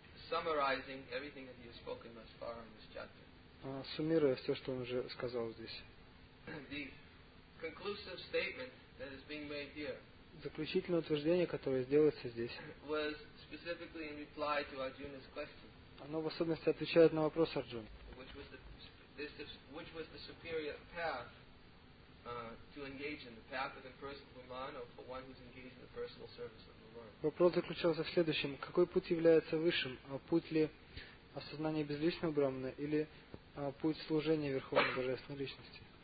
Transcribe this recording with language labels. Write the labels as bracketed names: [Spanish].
[English] Summarizing everything that he has spoken thus far in this chapter. [Russian] Суммируя все, что он уже сказал здесь. [English] The conclusive statement that is being made here. [Russian] Заключительное утверждение, которое сделается здесь. [English] Was specifically in reply to Arjuna's question. [Russian] Оно в особенности отвечает на вопрос Арджуны. [English] Which was the superior path to engage in the path of impersonal Brahman or for one who's engaged in the personal service of [Russian] Вопрос заключался в следующем. Какой путь является высшим? Путь ли осознания безличного Брахмана или путь служения Верховной Божественной Личности?